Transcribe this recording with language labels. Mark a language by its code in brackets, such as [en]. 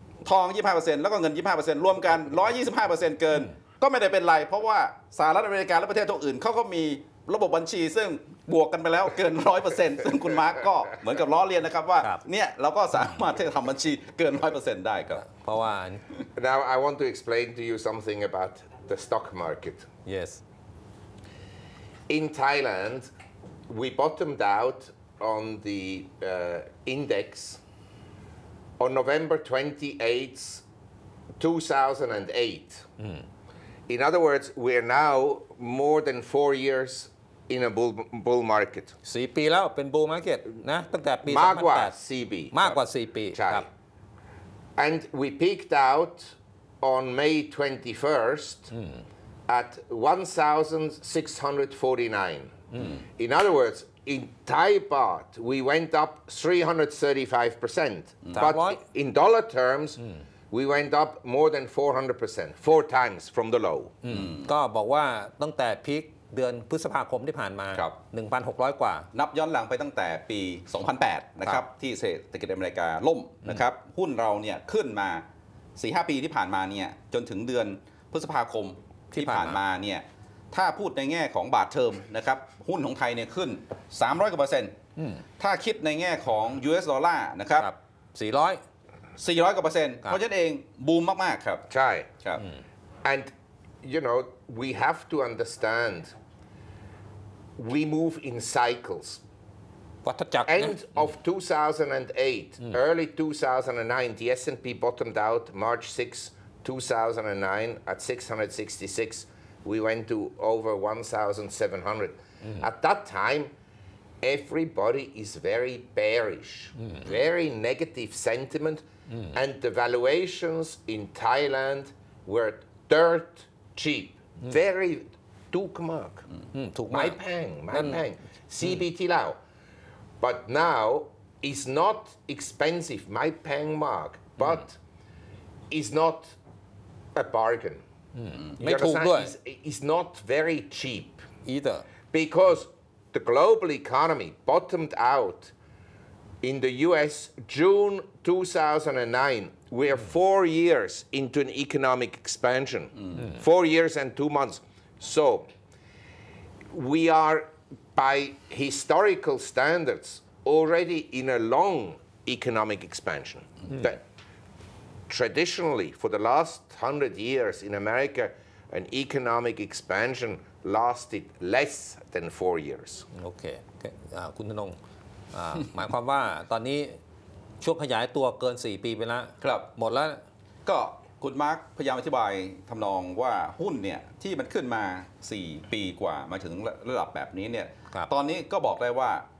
[th] ทอง 25% แล้วก็เงิน 25% รวมกัน 125% เกินก็ไม่ได้เป็นไรเพราะว่าสหรัฐอเมริกาและประเทศทั่วอื่นเขาก็มีระบบบัญชีซึ่งบวกกันไปแล้วเกิน 100% ซึ่งคุณมาร์กก็เหมือนกับล้อเลียนนะครับว่าเนี่ยเราก็สามารถที่จะทำบัญชีเกิน 100% ได้ครับ เพราะว่า [en] Now I want to explain to you something about the stock market. Yes. In Thailand, we bottomed out on the index on November 28th, 2008. In other words, we are now more than 4 years in a bull market. [th] 4ปีแล้วเป็น bull market นะตั้งแต่ปี 2008 มากกว่า4ปี [en] ครับ And we peaked out on May 21st at 1,649. In other words, in Thai baht, we went up 335%. But in dollar terms, We went up more than 400%, four times from the low. [th] ก็บอกว่าตั้งแต่พีคเดือนพฤษภาคมที่ผ่านมา 1,600 กว่านับย้อนหลังไปตั้งแต่ปี 2008 นะครับที่เศรษฐกิจอเมริกาล่มนะครับหุ้นเราเนี่ยขึ้นมา 4-5 ปีที่ผ่านมาเนี่ยจนถึงเดือนพฤษภาคมที่ผ่านมาเนี่ยถ้าพูดในแง่ของบาทเทอมนะครับหุ้นของไทยเนี่ยขึ้น 300% ถ้าคิดในแง่ของ US ดอลลาร์นะครับ 400 กว่าเปอร์เซ็นต์เพราะฉะนั้นเองบูมมากๆครับ ใช่ ครับ [en] and you know we have to understand we move in cycles what จาก end of 2008 early 2009 the S&P bottomed out March 6, 2009 at 666 we went to over 1,700 at that timeEverybody is very bearish, very negative sentiment, and the valuations in Thailand were dirt cheap, very [th] ทุกมาก ถูก ไหมแพงไหมแพง CBT แล้ว [en] but now it's not expensive [th] ไหมแพงมาก [en] but it's not a bargain [th] ไม่ถูกด้วย [en] it's not very cheap either because the global economy bottomed out in the US June 2009 we are 4 years into an economic expansion 4 years and 2 months so we are by historical standards already in a long economic expansion that traditionally for the last 100 years in America an economic expansion lasted less than 4 years [th] okay คุณธนงหมายความว่าตอนนี้ช่วงขยายตัวเกิน4ปีไปแล้ว ครับ หมดแล้ว ก็คุณมาร์คพยายามอธิบายทำนองว่าหุ้นเนี่ยที่มันขึ้นมา4ปีกว่ามาถึงระดับแบบนี้เนี่ยตอนนี้ก็บอกได้ว่า